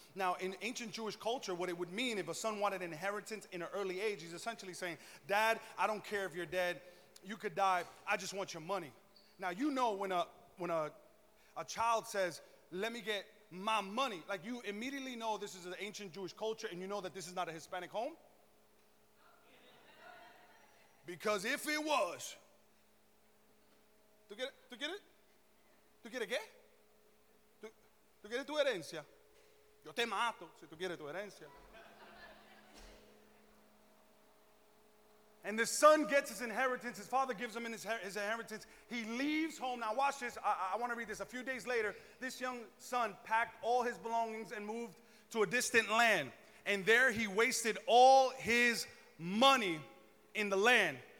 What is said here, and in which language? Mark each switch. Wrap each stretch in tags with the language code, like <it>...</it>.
<en>Now, in ancient Jewish culture, what it would mean if a son wanted an inheritance in an early age, he's essentially saying, Dad, I don't care if you're dead. You could die. I just want your money. Now, you know when a child says, let me get my money, like, you immediately know this is an ancient Jewish culture and you know that this is not a Hispanic home. Because if it was,</en> <es>tú quieres tu herencia, yo te mato si tú quieres tu herencia.</es> <en>And the son gets his inheritance. His father gives him his inheritance. He leaves home. Now watch this. I want to read this. A few days later, this young son packed all his belongings and moved to a distant land. And there he wasted all his money in the land.</en>